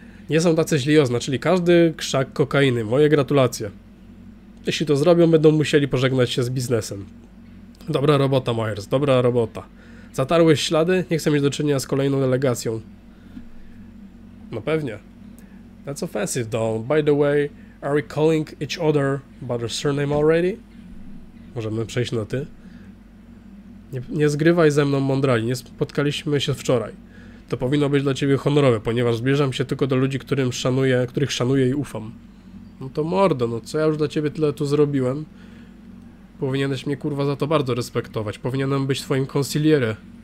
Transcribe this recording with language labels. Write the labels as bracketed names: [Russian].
[Polish] Nie są tacy źli oznaczyli każdy krzak kokainy. Moje gratulacje. Jeśli to zrobią, będą musieli pożegnać się z biznesem. Dobra robota, Myers. Dobra robota. Zatarłeś ślady? Nie chcę mieć do czynienia z kolejną delegacją. No pewnie. [English] That's offensive, Don. By the way, are we calling each other by their surname already? [Polish] Możemy przejść na ty. Nie zgrywaj ze mną mądrali, nie spotkaliśmy się wczoraj. To powinno być dla ciebie honorowe, ponieważ zbliżam się tylko do ludzi, którym szanuję, których szanuję i ufam. No to mordo, no co ja już dla ciebie tyle tu zrobiłem? Powinieneś mnie kurwa za to bardzo respektować, powinienem być twoim consigliere.